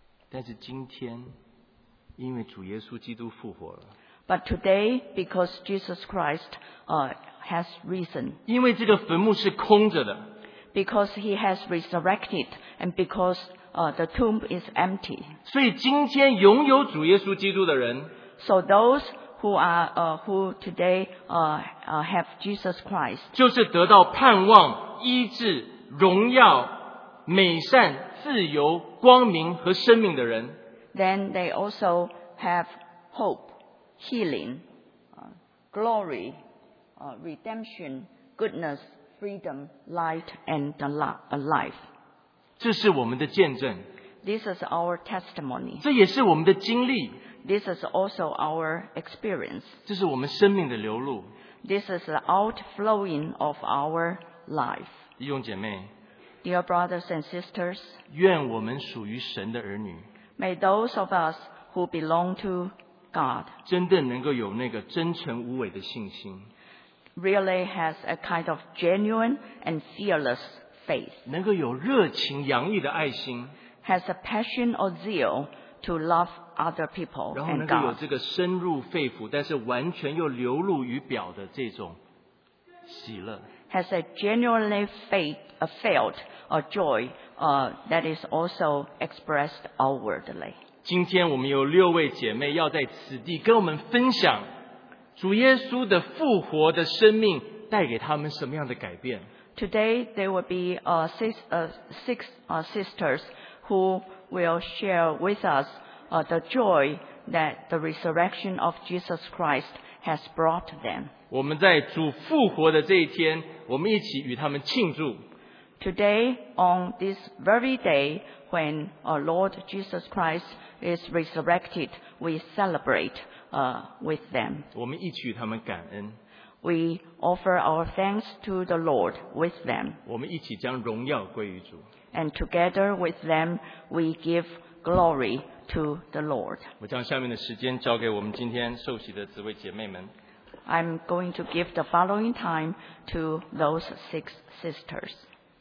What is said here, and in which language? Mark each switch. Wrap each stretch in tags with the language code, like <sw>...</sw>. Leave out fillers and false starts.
<zh>但是今天，因为主耶稣基督复活了。</zh> <en>But today, because Jesus Christ has risen.</en> <zh>因为这个坟墓是空着的。</zh> <en>Because he has resurrected, and because the tomb is empty.</en> <zh>所以今天拥有主耶稣基督的人。</zh> <en>So those who are who today have Jesus Christ.</en> <zh>就是得到盼望、医治、荣耀、美善、自由、光明和生命的人。</zh> <en>Then they also have hope. Healing, glory, redemption, goodness, freedom, light, and life.</en> <zh>这是我们的见证。</zh> <en>This is our testimony.</en> <zh>这也是我们的经历。</zh> <en>This is also our experience.</en> <zh>这是我们生命的流露。</zh> <en>This is the outflowing of our life.</en> <zh>弟兄姐妹，</zh> <en>Dear brothers and sisters,</en> <zh>愿我们属于神的儿女。</zh> <en>May those of us who belong to God,</en> <zh>真正能够有那个真诚无伪的信心，</zh> <en>really has a kind of genuine and fearless faith.</en> <zh>能够有热情洋溢的爱心，</zh> <en>has a passion or zeal to love other people and God.</en> <zh>然后能够有这个深入肺腑，但是完全又流露于表的这种喜乐，</zh> <en>has a genuinely felt a joy that is also expressed outwardly.</en> <zh>今天我们有六位姐妹要在此地跟我们分享主耶稣的复活的生命带给他们什么样的改变。</zh> <en>Today there will be six sisters who will share with us the joy that the resurrection of Jesus Christ has brought them.</en> <zh>我们在主复活的这一天，我们一起与他们庆祝。</zh> <en>Today, on this very day when our Lord Jesus Christ is resurrected, we celebrate with them.</en> <zh>我们一起与他们感恩。</zh> <en>We offer our thanks to the Lord with them.</en> <zh>我们一起将荣耀归于主。</zh> <en>And together with them, we give glory to the Lord.</en> <zh>我将下面的时间交给我们今天受洗的姊妹姐妹们。</zh> <en>I'm going to give the following time to those six sisters.</en>